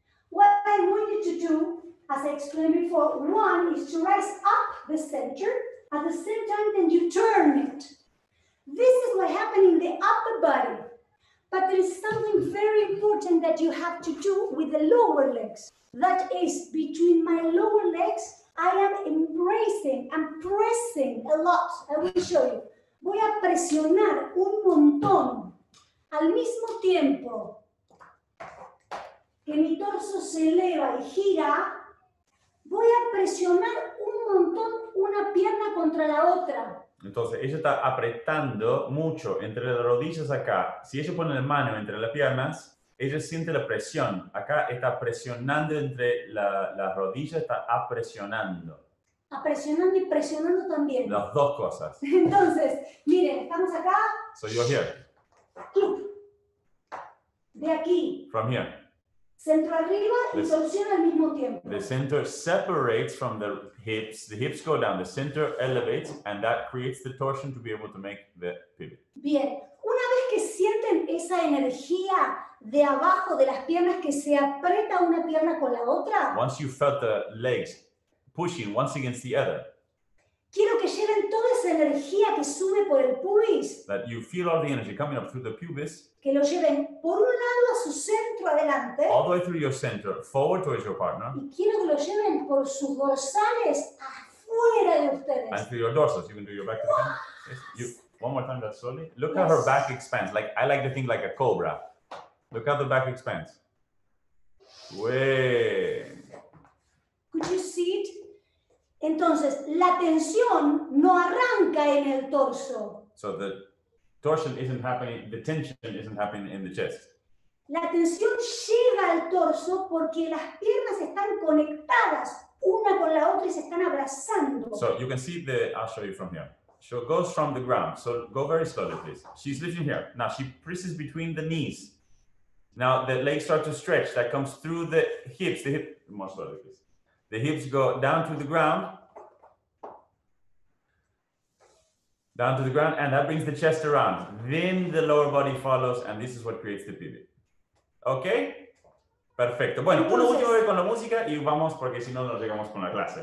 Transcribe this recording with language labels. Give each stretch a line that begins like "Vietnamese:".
English: What I want you to do, as I explained before, one is to rise up the center, at the same time then you turn it. This is what happened in the upper body. But there is something very important that you have to do with the lower legs. That is, between my lower legs, I am embracing, I'm pressing a lot. I will show you.
Spanish: Voy a presionar un montón al mismo tiempo que mi torso se eleva y gira. Voy a presionar un montón una pierna contra la otra. Entonces, ella está apretando mucho entre las rodillas acá. Si ella pone la mano entre las piernas, ella siente la presión. Acá está presionando entre las rodillas, está apresionando. Apresionando y presionando también. Las dos cosas. Entonces, miren, estamos acá.
English: So you're here.
Spanish: Club. De aquí.
English: From here.
Spanish: Centro arriba y solución al mismo tiempo.
English: The center separates from the hips. The hips go down. The center elevates and that creates the torsion to be able to make the pivot.
Spanish: Bien. Una vez que sienten esa energía de abajo de las piernas que se aprieta una pierna con la otra.
English: Once you felt the legs pushing once against the other.
Spanish: Quiero que lleven toda esa energía que sube por el pubis.
English: That you feel all the energy coming up through the pubis.
Spanish: Que lo lleven por un lado a su centro adelante.
English: All the way through your center, forward towards your partner.
Spanish: Y quiero que lo lleven por sus dorsales afuera de ustedes.
English: And through your dorsals, you can do your back again. Yes. You, one more time, that slowly. Look how her back expands. Like I like to think like a cobra. Look how the back expands. Way. Could you see it?
Spanish: Entonces, la tensión no arranca en el torso.
English: So the torsion isn't happening, the tension isn't happening in the chest.
Spanish: La tensión llega al torso porque las piernas están conectadas una con la otra y se están abrazando.
English: So you can see the, I'll show you from here. She goes from the ground. So go very slowly, please. She's lifting here. Now she presses between the knees. Now the legs start to stretch. That comes through the hips. The hip, more slowly, please. The hips go down to the ground. Down to the ground, and that brings the chest around. Then the lower body follows, and this is what creates the pivot. Okay?
Spanish: Perfecto. Bueno, uno último vez con la música y vamos, porque si no, no llegamos con la clase.